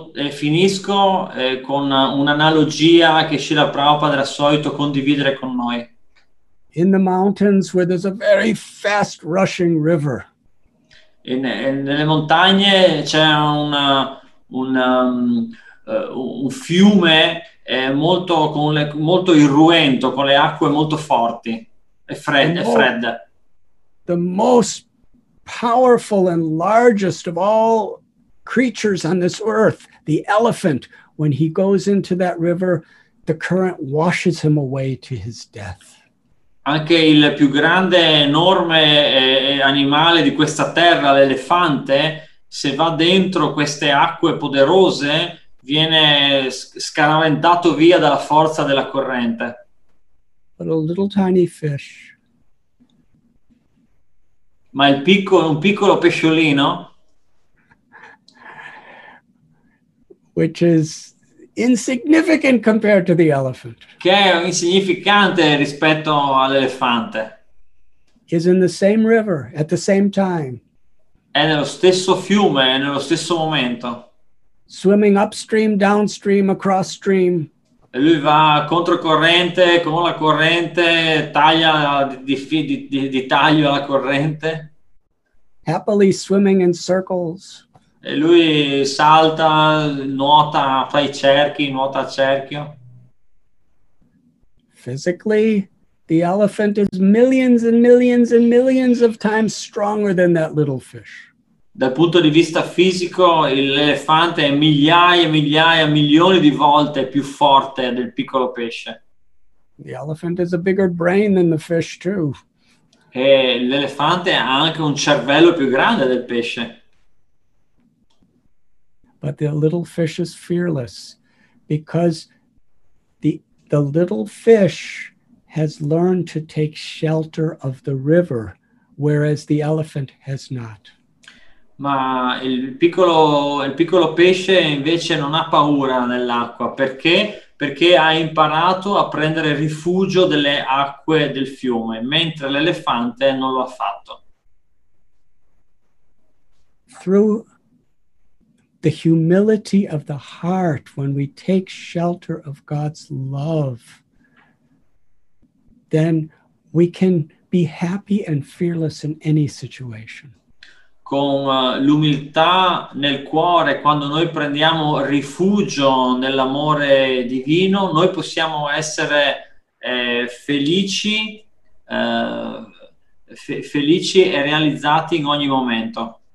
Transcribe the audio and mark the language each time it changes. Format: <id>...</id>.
<it>finisco con un'analogia che Srila Prabhupada era solito condividere con noi.</it> <en>In the mountains where there's a very fast rushing river.</en> <it>Nelle montagne c'è un fiume molto molto irruento, con le acque molto forti e fredde.</it> <en>The most powerful and largest of all creatures on this earth, the elephant, when he goes into that river, the current washes him away to his death.</en> <it>Anche il più grande, enorme animale di questa terra, l'elefante, se va dentro queste acque poderose, viene scaraventato via dalla forza della corrente.</it> <en>But a little tiny fish.</en> <it>Ma un piccolo pesciolino,</it> <en>which is insignificant compared to the elephant,</en> <it>che è insignificante rispetto all'elefante,</it> <en>is in the same river at the same time,</en> <it>è nello stesso fiume, è nello stesso momento,</it> <en>swimming upstream, downstream, across stream,</en> <it>e lui va controcorrente, con la corrente, taglio alla corrente,</it> <en>happily swimming in circles.</en> <it>E lui salta, nuota, fa i cerchi, nuota a cerchio.</it> <en>Physically, the elephant is millions and millions and millions of times stronger than that little fish.</en> <it>Dal punto di vista fisico, l'elefante è migliaia, migliaia, milioni di volte più forte del piccolo pesce.</it> <en>The elephant has a bigger brain than the fish too.</en> <it>E l'elefante ha anche un cervello più grande del pesce.</it> <en>But the little fish is fearless because the little fish has learned to take shelter of the river, whereas the elephant has not.</en> <it>Ma il piccolo pesce invece non ha paura dell'acqua. Perché? Perché ha imparato a prendere rifugio delle acque del fiume, mentre l'elefante non lo ha fatto.</it> <en>Through the humility of the heart, when we take shelter of God's love, then we can be happy and fearless in any situation.</en> <it>Con l'umiltà nel cuore, quando noi prendiamo rifugio nell'amore divino, noi possiamo essere felici e realizzati in ogni momento.</it>